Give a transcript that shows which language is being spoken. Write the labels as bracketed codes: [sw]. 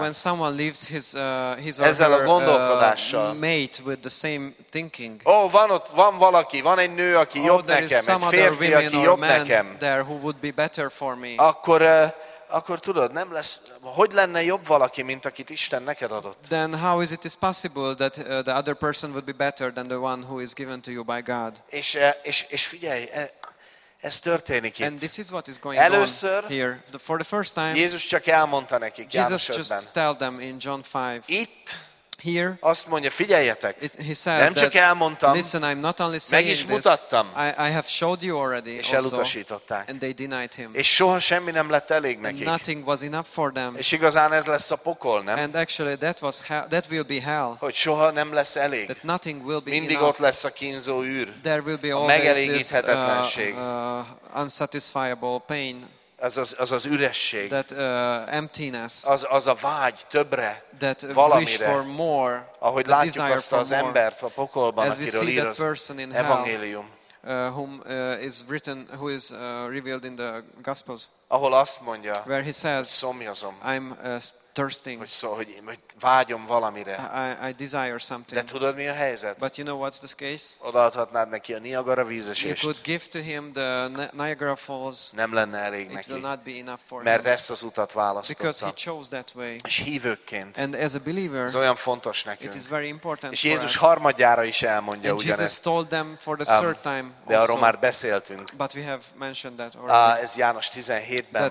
[en] when someone leaves his [hu] ezzel a gondolkodással, [en] mate with the same thinking. [hu] Ó, van valaki, van egy nő, aki jobb nekem, egy férfi, aki jobb nekem. [en] There who would be better for me. [hu] Akkor tudod, nem lesz, hogy lenne jobb valaki, mint akit Isten neked adott? [en] Then how is it possible that the other person would be better than the one who is given to you by God? [hu] És figyelj, ez történik itt. [en] And this is what is going [hu] először, [en] on here. The, for the first time, [hu] Jézus csak elmondta nekik, [en] Jézus just tell them in John 5. [hu] Itt, [en] here, [hu] azt mondja, figyeljetek, [en] it, he says [hu] nem csak [en] that, [hu] elmondtam, [en] listen, I'm not only saying [hu] meg is mutattam, [en] this, I have showed you already [hu] és [en] also, [hu] elutasították. [en] And they denied him. [hu] És soha semmi nem lett elég nekik. [en] And nothing was enough for them. [hu] És igazán ez lesz a pokol, nem? [en] And actually that was hell, that will be hell. [hu] Hogy soha nem lesz elég. [en] That nothing will be [hu] mindig [en] enough. [hu] Ott lesz a kínzó űr. [en] There will be [hu] a megelégíthetetlenség. [en] Unsatisfiable pain. [hu] Az üresség. [en] That emptiness. [hu] Az a vágy többre. [en] That [hu] valamire, [en] wish for more. [hu] Ahogy [en] the [hu] látjuk azt az [en] more, [hu] embert a pokolban, akiről ír az evangélium. [en] Whom is written, who is revealed in the Gospels. [hu] Ahol azt mondja, [en] where he says, [hu] szomjazom, [en] I'm thirsting. [hu] Hogy vágyom valamire. [en] I desire something. [hu] De tudod, mi a helyzet? [en] But you know what's the case? [hu] Odaadhatnád neki a Niagara vízesést. [en] You could give to him the Niagara Falls. [hu] Nem lenne elég neki. [en] It will not be enough for [hu] mert [en] him. [hu] Ezt az utat választotta. [en] Because he chose that way. [hu] És hívőként. [en] And as a believer, [hu] ez olyan fontos nekünk. [en] It is very important. [hu] És Jézus harmadjára is elmondja ugyanezt. [en] Jesus told them for the third time. [hu] De arról már beszéltünk. [en] But we have mentioned that already. [hu] Ez János 17-ben